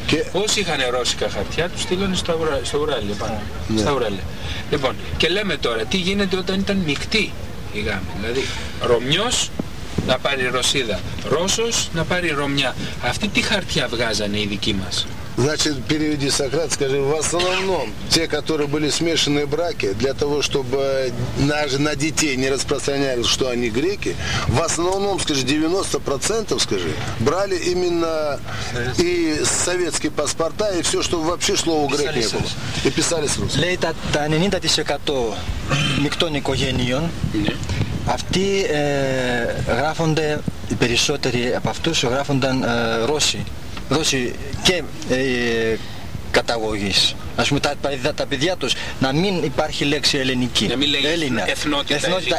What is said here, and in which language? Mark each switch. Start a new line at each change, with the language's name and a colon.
Greek: Και... όσοι είχαν ρώσικα χαρτιά, τους στείλανε στο Ουράλι. Στα Ουράλια. Λοιπόν, και λέμε τώρα, τι γίνεται όταν ήταν μεικτή η γάμη. Δηλαδή, Ρωμιός να πάρει Ρωσίδα, Ρώσος να πάρει Ρωμιά. Αυτή τι χαρτιά βγάζανε οι δικοί μας.
Russian: Значит, переведи, Сократ, скажи, в основном те, которые были смешанные браки, для того, чтобы даже на детей не распространялись, что они греки, в основном, скажи, 90%, скажи, брали именно и советские паспорта, и все, что вообще шло у грек не было. И писали с русским. Лейта та не нинта тише като никто не когениен.
Greek: Αυτοί γράφονται, οι περισσότεροι από αυτούς γράφονταν Ρώσοι. Ρώσοι και καταγωγής. Ας πούμε τα παιδιά τους να μην υπάρχει λέξη ελληνική. Να μην λέγεις Έλληνα, εθνότητα